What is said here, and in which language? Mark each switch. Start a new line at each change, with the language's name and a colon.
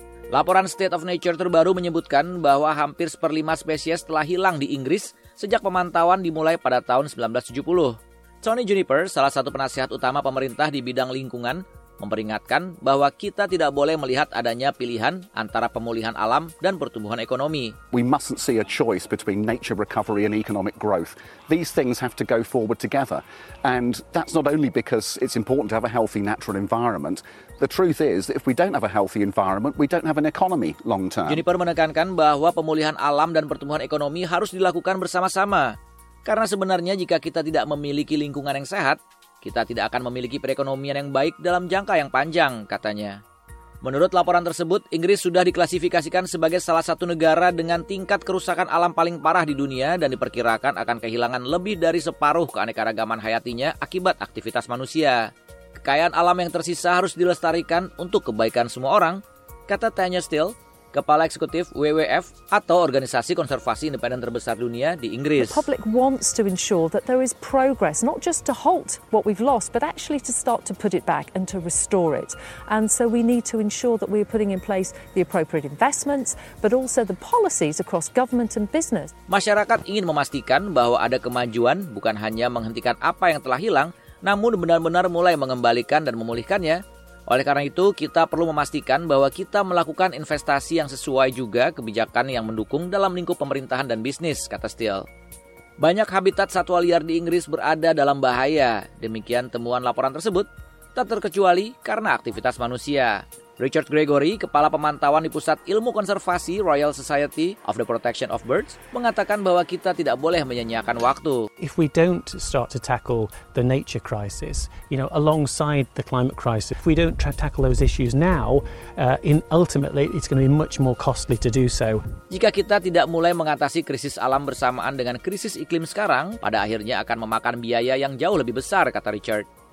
Indonesian: Laporan State of Nature terbaru menyebutkan bahwa hampir 1/5 spesies telah hilang di Inggris sejak pemantauan dimulai pada tahun 1970. Tony Juniper, salah satu penasihat utama pemerintah di bidang lingkungan, memperingatkan bahwa kita tidak boleh melihat adanya pilihan antara pemulihan alam dan pertumbuhan ekonomi.
English: We mustn't see a choice between nature recovery and economic growth. These things have to go forward together. And that's not only because it's important to have a healthy natural environment. The truth is that if we don't have a healthy environment, we don't have an economy long term.
Indonesian: Juniper menekankan bahwa pemulihan alam dan pertumbuhan ekonomi harus dilakukan bersama-sama. Karena sebenarnya jika kita tidak memiliki lingkungan yang sehat, kita tidak akan memiliki perekonomian yang baik dalam jangka yang panjang, katanya. Menurut laporan tersebut, Inggris sudah diklasifikasikan sebagai salah satu negara dengan tingkat kerusakan alam paling parah di dunia dan diperkirakan akan kehilangan lebih dari separuh keanekaragaman hayatinya akibat aktivitas manusia. Kekayaan alam yang tersisa harus dilestarikan untuk kebaikan semua orang, kata Tanya Steele, Kepala Eksekutif WWF atau organisasi konservasi independen terbesar dunia di Inggris.
English: The public wants to ensure that there is progress, not just to halt what we've lost, but actually to start to put it back and to restore it. And so we need to ensure that we are putting in place the appropriate investments, but also the policies across government and business.
Indonesian: Masyarakat ingin memastikan bahwa ada kemajuan, bukan hanya menghentikan apa yang telah hilang, namun benar-benar mulai mengembalikan dan memulihkannya. Oleh karena itu, kita perlu memastikan bahwa kita melakukan investasi yang sesuai juga kebijakan yang mendukung dalam lingkup pemerintahan dan bisnis, kata Steele. Banyak habitat satwa liar di Inggris berada dalam bahaya, demikian temuan laporan tersebut, tak terkecuali karena aktivitas manusia. Richard Gregory, Kepala Pemantauan di Pusat Ilmu Konservasi Royal Society of the Protection of Birds, mengatakan bahwa kita tidak boleh menyia-nyiakan waktu.
English: If we don't start to tackle the nature crisis, you know, alongside the climate crisis, if we don't tackle those issues now, ultimately it's going to be much more costly to do so.
Indonesian: Jika kita tidak mulai mengatasi krisis alam bersamaan dengan krisis iklim sekarang, pada akhirnya akan memakan biaya yang jauh lebih besar, kata Richard.